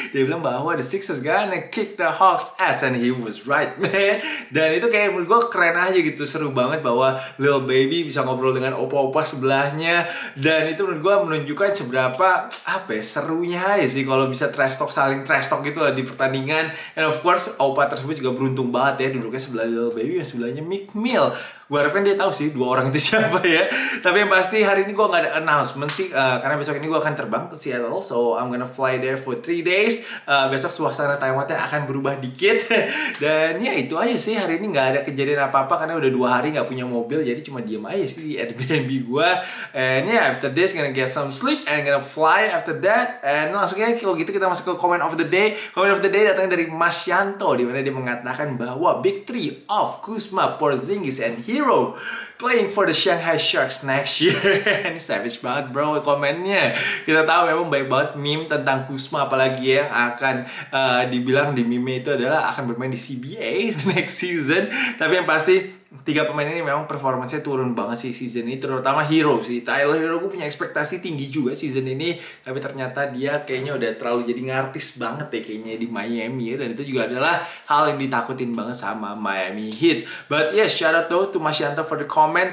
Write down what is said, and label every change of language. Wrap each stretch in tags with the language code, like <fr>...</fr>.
<id>Dia bilang bahwa</id> <en>the Sixers gonna kick the Hawks ass, and he was right, man.</en> <id>Dan itu kayak menurut gue keren aja gitu, seru banget bahwa Lil Baby bisa ngobrol dengan opa-opa sebelahnya. Dan itu menurut gue menunjukkan seberapa, apa ya, serunya aja sih kalau bisa trash talk, saling trash talk gitu lah di pertandingan.</id> <en>And of course,</en> <id>opa tersebut juga beruntung banget ya, duduknya sebelah Lil Baby yang sebelahnya Meek Mill. Gue harapin dia tahu sih dua orang itu siapa ya. Tapi yang pasti hari ini gue gak ada announcement sih, karena besok ini gue akan terbang ke Seattle.</id> <en>So I'm gonna fly there for 3 days.</en> <id>Besok suasana Time Out-nya akan berubah dikit. Dan ya itu aja sih, hari ini gak ada kejadian apa-apa karena udah 2 hari gak punya mobil. Jadi cuma diem aja sih di Airbnb gue.</id> <en>And yeah, after this gonna get some sleep and gonna fly after that.</en> <id>And langsungnya kalau gitu kita masuk ke comment of the day. Comment of the day datang dari Mas Yanto, dimana dia mengatakan bahwa Big 3 of Kuzma, Porzingis, and Hill Hero</id> <en>playing for the Shanghai Sharks next year.</en> <id>Ini savage banget bro komennya. Kita tahu memang banyak banget meme tentang Kuzma, apalagi yang akan dibilang di meme itu adalah akan bermain di CBA next season. Tapi yang pasti tiga pemain ini memang performanya turun banget sih season ini, terutama Hero sih. Tyler Hero gue punya ekspektasi tinggi juga season ini, tapi ternyata dia kayaknya udah terlalu jadi ngartis banget ya kayaknya di Miami ya. Dan itu juga adalah hal yang ditakutin banget sama Miami Heat.</id> <en>But yeah, shout out though to Mas Yanto for the comment.</en>